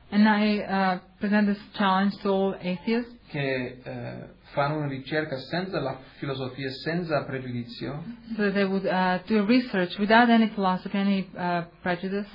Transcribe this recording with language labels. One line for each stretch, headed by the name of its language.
English: And I present this challenge to all atheists.
Italian: Che fanno una ricerca senza la filosofia, senza pregiudizio.
English: So they would do research without any philosophy, any prejudice.